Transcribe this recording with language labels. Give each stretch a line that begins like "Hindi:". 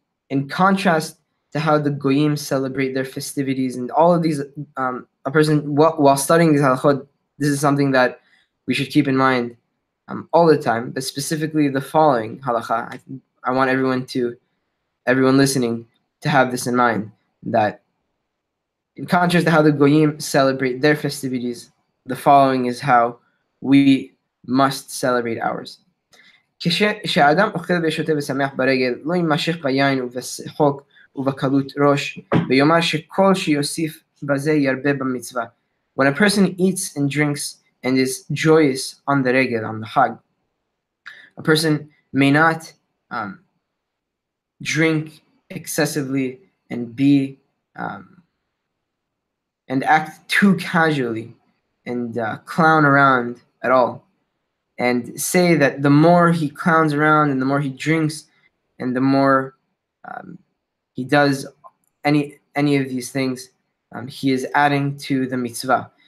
English: In contrast to how the Goyim celebrate their festivities and all of these, while studying these halachot, this is something that we should keep in mind all the time, but specifically the following halacha. I want everyone listening to have this in mind, that in contrast to how the Goyim celebrate their festivities, the following is how we must celebrate ours.
Hebrew: כשאדם אוכל ושותה ושמח ברגל, לא יימשך ביין ובשחוק ובקלות ראש, ויאמר שכל שיוסיף בזה ירבה במצווה.
English: When a person eats and drinks and is joyous on the regel, on the Chag, a person may not drink excessively and be and act too casually and clown around at all, and say that the more he clowns around and the more he drinks and the more he does any of these things, he is adding to the mitzvah.